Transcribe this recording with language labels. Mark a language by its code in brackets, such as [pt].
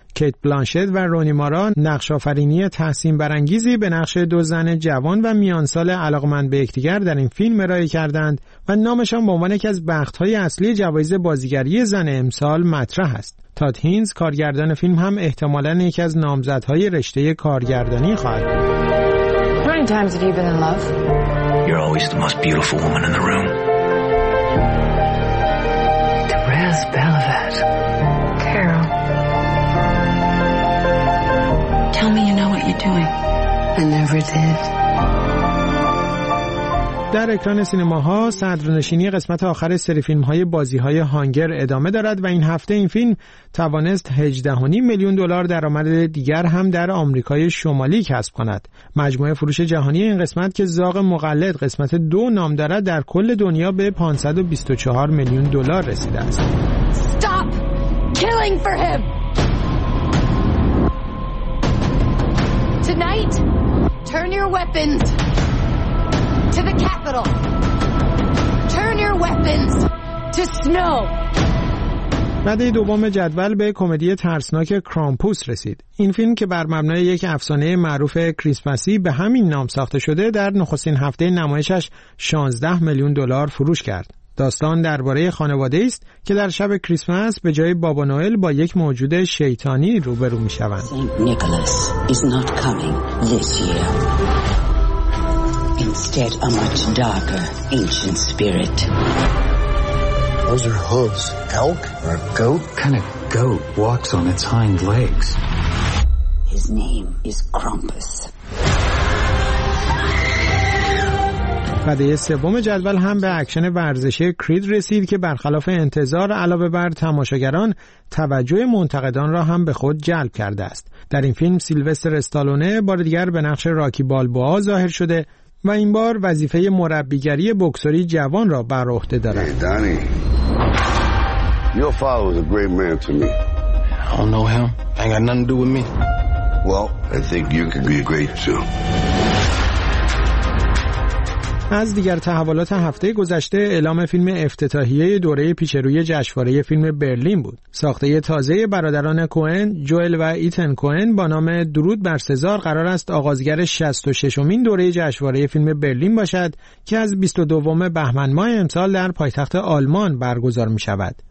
[fa] کیت بلانشت و رونی مارا نقش‌آفرینی تحسین برانگیزی به نقش 2 زن جوان و میانسال علاقمند به یکدیگر در این فیلم ارائه کردند و نامشان به عنوان یکی از بخت‌های اصلی جوایز بازیگری زن امسال مطرح است. تاد هینز کارگردان فیلم هم احتمالاً یکی از نامزدهای رشته کارگردانی خواهد بود. [en] Times have you been in love? You're always the most beautiful woman in the room. Therese Belavet. Carol. Tell me you know what you're doing. I never did. [fa] در اکران سینماها صدرنشینی قسمت آخر سری فیلم‌های بازی‌های هانگر ادامه دارد و این هفته این فیلم توانست 18.5 میلیون دلار درآمد دیگر هم در آمریکای شمالی کسب کند. مجموعه فروش جهانی این قسمت که زاغ مقلد قسمت 2 نام دارد در کل دنیا به 524 میلیون دلار رسیده است. [en] Stop killing for him. Tonight Turn your weapons to the capital. Turn your weapons to snow. [fa] رده دوم جدول به کمدی ترسناک کرامپوس رسید. این فیلم که بر مبنای یک افسانه معروف کریسمسی به همین نام ساخته شده در نخستین هفته نمایشش 16 میلیون دلار فروش کرد. داستان درباره خانواده است که در شب کریسمس به جای بابا نوئل با یک موجود شیطانی روبرو می شوند. [en] Saint Nicholas is not coming this year. Instead a much darker ancient spirit. Those are hooves. Elk or a goat? What kind of goat walks on its hind legs? His name is Krampus. [fa] بعد از سوم جدول هم به اکشن ورزشی کرید رسید که برخلاف انتظار علاوه بر تماشاگران توجه منتقدان را هم به خود جلب کرده است. در این فیلم سیلوستر استالونه بار دیگر به نقش راکی بالبوا ظاهر شده و این بار وظیفه مربیگری بکسوری جوان را بر عهده دارد. [en] Danny Your father was a great man to me. I don't know him. I ain't got nothing to do with me. Well, I think you could be great too. [fa] از دیگر تحولات هفته گذشته اعلام فیلم افتتاحیه دوره پیشروی جشنواره فیلم برلین بود. ساخته تازه برادران کوئن، جوئل و ایتن کوئن با نام درود بر سزار قرار است آغازگر 66مین دوره جشنواره فیلم برلین باشد که از 22 بهمن ماه امسال در پایتخت آلمان برگزار می شود.